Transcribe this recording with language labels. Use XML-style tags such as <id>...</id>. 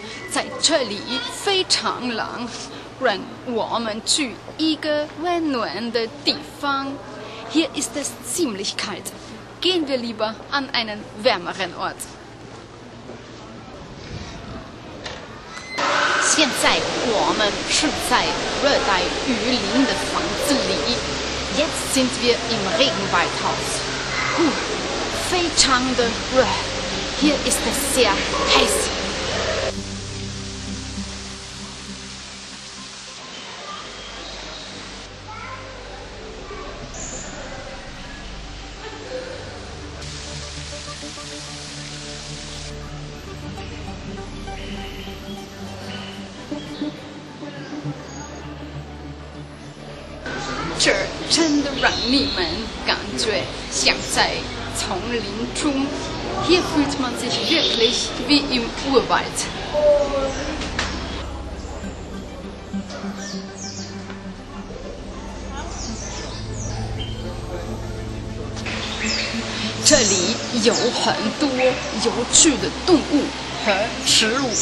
<zh>在这里非常冷，让我们去一个温暖的地方。</zh> <de>Hier ist es ziemlich kalt. Gehen wir lieber an einen wärmeren Ort.</de> <zh>现在我们是在热带雨林的房子里。</zh> <de>Jetzt sind wir im Regenwaldhaus. Gut,</de> <zh>非常的热。</zh> <de>Hier ist es sehr heiß.</de> <zh>这儿真的让你们感觉像在丛林中。</zh> <de>Hier fühlt man sich wirklich wie im Urwald. Hier gibt es viele interessante Tiere und Pflanzen.</de>